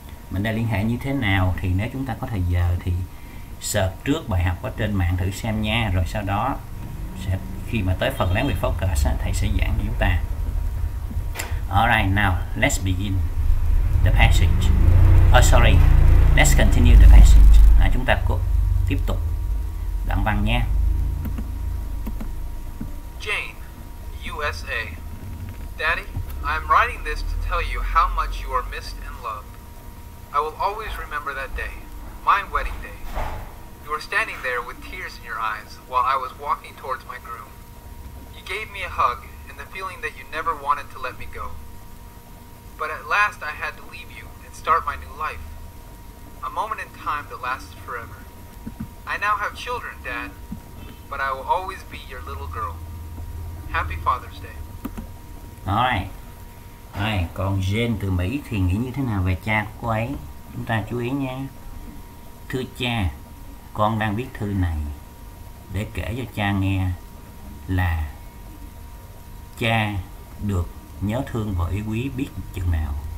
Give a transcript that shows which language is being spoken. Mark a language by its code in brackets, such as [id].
[vi] Mệnh đề liên hệ như thế nào? Thì nếu chúng ta có thời giờ thì search trước bài học ở trên mạng thử xem nha, rồi sau đó sẽ khi mà tới phần lắng nghe focus, thầy sẽ giảng cho chúng ta. [en] Alright, now let's begin the passage. Oh sorry, let's continue the passage. [vi] Chúng ta cố tiếp tục đoạn văn nha. [en] Jane, USA. Daddy, I'm writing this to tell you how much you are missed and loved. I will always remember that day, my wedding day. You were standing there with tears in your eyes while I was walking towards my groom. You gave me a hug and the feeling that you never wanted to let me go. But at last I had to leave you and start my new life. A moment in time that lasts forever. I now have children, Dad, but I will always be your little girl. Happy Father's Day. Hi. Hi. [vi] Còn Jane từ Mỹ thì nghĩ như thế nào về cha của cô ấy? Chúng ta chú ý nha. Thưa cha, con đang viết thư này để kể cho cha nghe là cha được nhớ thương và yêu quý biết chừng nào.